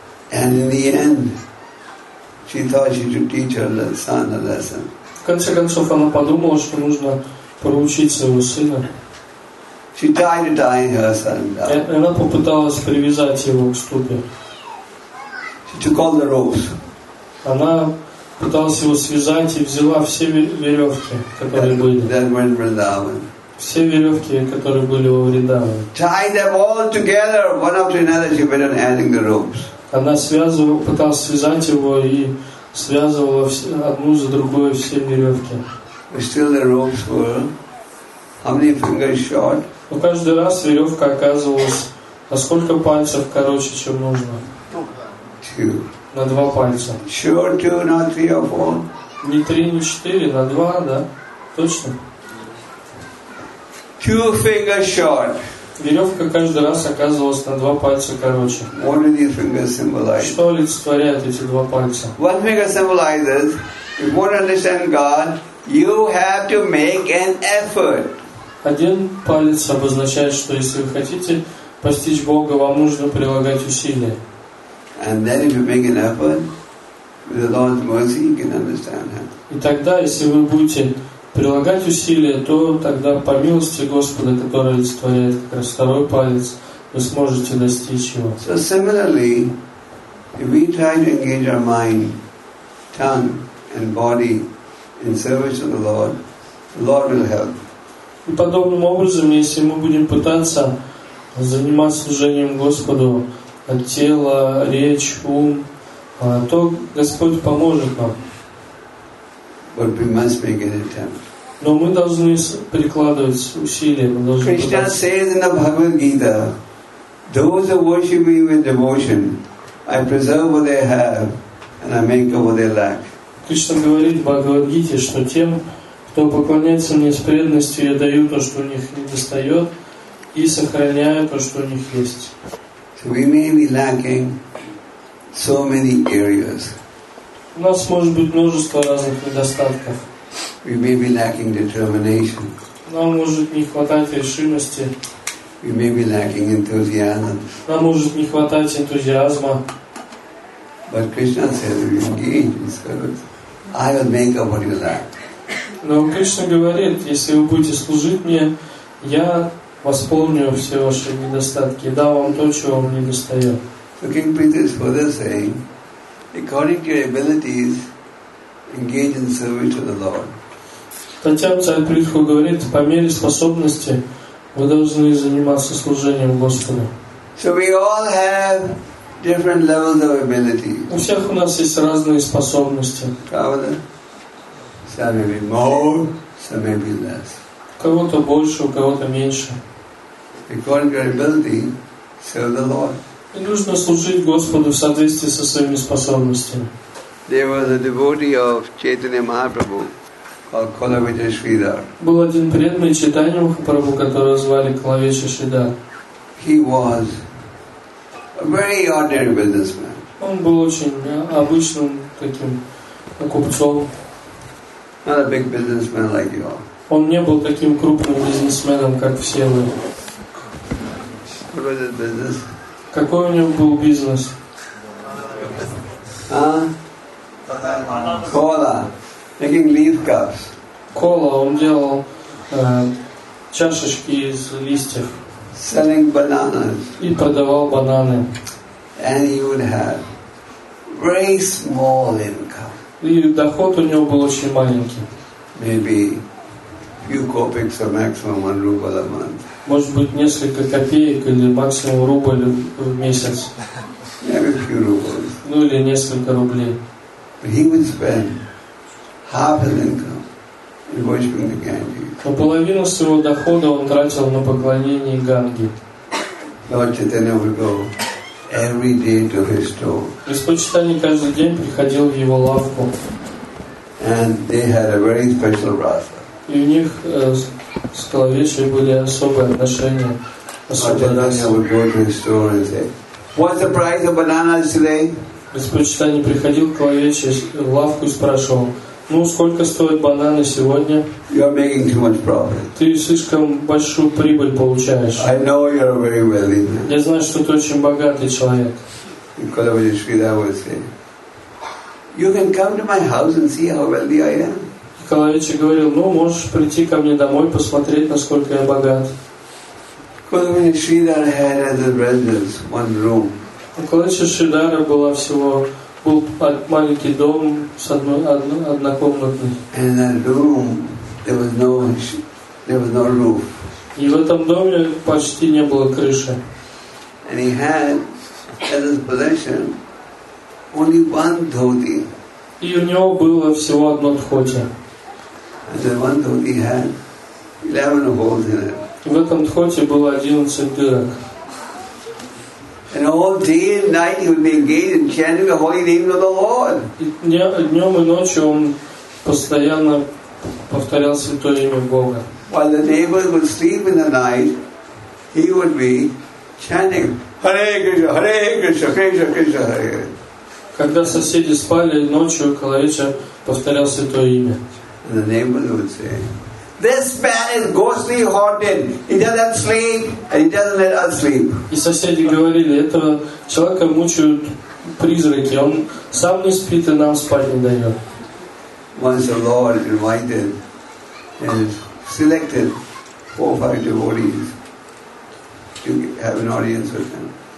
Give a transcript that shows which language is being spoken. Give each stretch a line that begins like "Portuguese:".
English: And in the end, she thought she should teach her son a lesson.
Russian: В конце концов она подумала, что нужно проучить своего сына.
English: She tried to tie her son down.
Russian: Она попыталась привязать его к ступе.
English: She took all the ropes.
Russian: Она пыталась его связать и взяла все веревки, которые были.
English: That went Vrindavan.
Russian: Все веревки, которые были во Вриндаване.
English: Tied them all together, one after another. She went on adding the ropes.
Russian: Она связывала, пыталась связать его и связывала одну за другой все веревки.
English: Still the ropes were. How many fingers short?
Russian: Но каждый раз веревка оказывалась на сколько пальцев короче, чем нужно.
English: Two.
Russian: На два пальца.
English: Sure, two, not three or four.
Russian: Не три, не четыре, на два, да? Точно?
English: Two fingers short.
Russian: Веревка каждый раз оказывалась на два пальца короче.
English: What do these fingers symbolize?
Russian: Что олицетворяют эти два пальца?
English: One finger symbolizes, if you want to understand God, you have to make an effort.
Russian: Один палец обозначает, что если вы хотите постичь Бога, вам нужно прилагать усилия.
English: And then if you make an effort, with the Lord's mercy, you can understand Him.
Russian: И тогда, если вы будете прилагать усилия, то тогда по милости Господа, который олицетворяет как раз второй палец, вы сможете достичь его.
English: So similarly, if we try to engage our mind, tongue, and body in service of the Lord will help.
Russian: И подобным образом, если мы будем пытаться заниматься служением Господу, тело, речь, ум, то Господь поможет нам.
English: But we must make an attempt.
Russian: Но мы должны прикладывать усилия.
English: Krishna says in the Bhagavad Gita, those who worship me with devotion, I preserve what they have and I make what they lack.
Russian: Кришна говорит в Бхагавад Гите, что тем, кто поклоняется мне с преданностью, я даю то, что у них недостает, и сохраняю то, что у них есть.
English: So we may be lacking so many areas.
Russian: У нас может быть множество разных недостатков.
English: We may be lacking determination.
Russian: Нам может не хватать решимости.
English: We may be lacking enthusiasm.
Russian: Нам может не хватать энтузиазма.
English: But Krishna says, if you engage in service, I will make up what you lack.
Russian: Но Кришна говорит, если вы будете служить мне, я восполню все ваши недостатки, дам вам то, чего вам не достает.
English: So King Prithvi is further saying, according to your abilities, engage in service to the Lord.
Russian: Хотя царь Притху говорит, по мере способности вы должны заниматься служением Господу.
English: So we all have different levels of ability.
Russian: У всех у нас есть разные способности. Правда?
English: Some may be more, some may be less.
Russian: У кого-то больше, у кого-то меньше.
English: According to ability, serve the Lord.
Russian: И нужно служить Господу в соответствии со своими способностями.
English: There was a devotee of Chaitanya Mahaprabhu called Kalavesha Sridhar.
Russian: Был один преданный Чайтанья Махапрабху, которого звали Калавеша Шридар.
English: He was a very ordinary businessman.
Russian: Он был очень обычным таким купцом.
English: Not a big businessman like you all.
Russian: Он не был таким крупным бизнесменом, как все вы.
English: What was his business?
Russian: Какой у него был бизнес?
English: А? Кола. Making leaf cups.
Russian: Кола. Он делал чашечки из листьев.
English: Selling bananas.
Russian: И продавал бананы.
English: And he would have very small income.
Russian: И доход у него был очень маленький.
English: Maybe few copics or maximum 1 ruble a month.
Russian: Может быть, несколько копеек или максимум рубль в месяц.
English: Maybe a few rubles.
Russian: Ну или несколько рублей.
English: But he would spend half his income in worshiping the Ganges.
Russian: Но половину своего дохода он тратил на поклонение Ганге.
English: Lord Chaitanya would go every day to his store.
Russian: Господь Чайтанья каждый день приходил в его лавку.
English: And they had a very special rasa.
Russian: И у них с Калавешей были особые отношения.
English: Lord Chaitanya would go to his store and say, "What's the price of bananas today?"
Russian: Господь Чайтанья приходил к Калавеше в лавку и спрашивал, ну, сколько стоят бананы сегодня?
English: You are making too much profit.
Russian: Ты слишком большую прибыль получаешь.
English: I know you are very wealthy.
Russian: Я знаю, что ты очень богатый человек.
English: И Калавеша Шридар would say, you can come to my house and see how wealthy I am.
Russian: И Калавеша говорил, ну, можешь прийти ко мне домой, посмотреть, насколько я богат.
English: Калавеша Шридар had as a residence one room.
Russian: У Калавеши Шридара была всего был маленький дом с однокомнатный.
English: In that room there was no roof.
Russian: И в этом доме почти не было крыши.
English: And he had as his possession only one dhoti.
Russian: И у него было всего одно дхоти.
English: And the one dhoti had 11 holes in it.
Russian: В этом дхоти было 11 дырок.
English: And all day and night he would be engaged in chanting the holy name of the Lord.
Russian: Днем и ночью он постоянно повторял святое имя Бога.
English: While the neighbors would sleep in the night, he would be chanting Hare Krishna, Hare Krishna, Krishna Krishna, Hare.
Russian: Когда соседи спали ночью, Калавеша повторял святое имя.
English: And the neighbors would say, this man is ghostly haunted. He doesn't sleep and he doesn't let us sleep.
Russian: И соседи говорили, этого человека мучают призраки. Он сам не спит и нам спать не дает.
English: Once the Lord invited and selected 4 or 5 devotees to have an audience with him.